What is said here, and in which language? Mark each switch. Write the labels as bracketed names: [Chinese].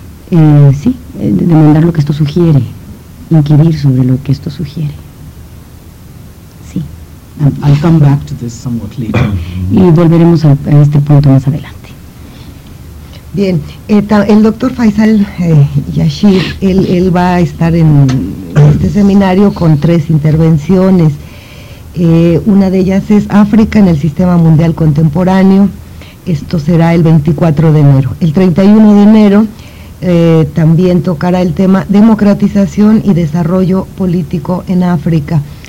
[Spanish] Demandar lo que esto sugiere, inquirir sobre lo que esto sugiere. Sí. [English] And I'll come back to this somewhat later. [Spanish] Y volveremos a este punto más adelante. Bien, el doctor Faisal Yashir, él va a estar en este seminario con tres intervenciones. Una de ellas es África en el Sistema Mundial Contemporáneo. Esto será el 24 de enero. El 31 de enero también tocará el tema democratización y desarrollo político en África.